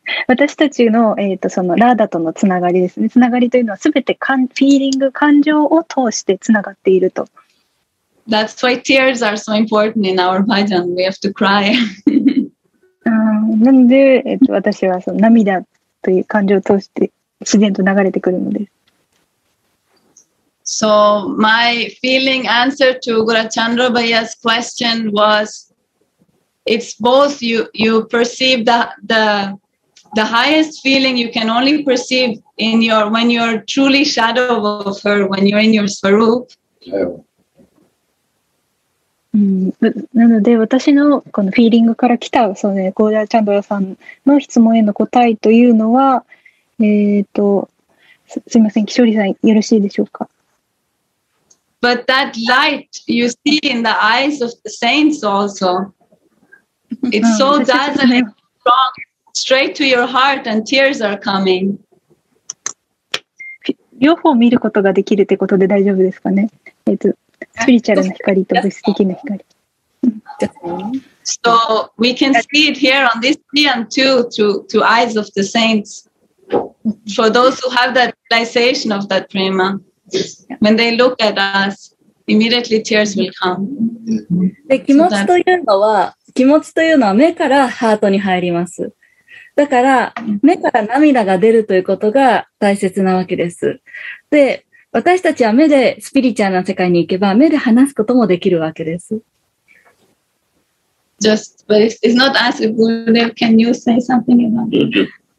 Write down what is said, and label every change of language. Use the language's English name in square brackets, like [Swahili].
[Japanese] 私たちの、そのラーダとのつながりですね。つながりというのはすべてフィーリング、感情を通してつながっていると。 [English] That's why tears are so important in our bhajan. We have to cry. [Japanese] なんで、私はその涙という感情を通して自然と流れてくるのです。 [English] So my feeling answer to Gurachandra Bhaiya's question was,It's both you perceive the highest feeling you can only perceive in your when you're truly shadow of her when you're in your swarup. [Japanese] なので私のこのフィーリングから来たそうねゴーダチャンドラさんの質問への答えというのはすいませんキショリさんよろしいでしょうか。 [English] But that light you see in the eyes of the saints also. It's so dazzling, strong, straight to your heart, and tears are coming. [Japanese] 両方見ることができるってことで大丈夫ですかね。スピリチュアルな光と物質的な光。 [English] So we can see it here on this scene too, through eyes of the saints. For those who have that realization of that prema, when they look at us, immediately tears will come. [Japanese] で、気持ちというのは、気持ちというのは目からハートに入ります。だから目から涙が出るということが大切なわけです。で、私たちは目でスピリチュアルな世界に行けば、目で話すこともできるわけです。 [English] Just, but it's not asking Gurudev, can you say something about it?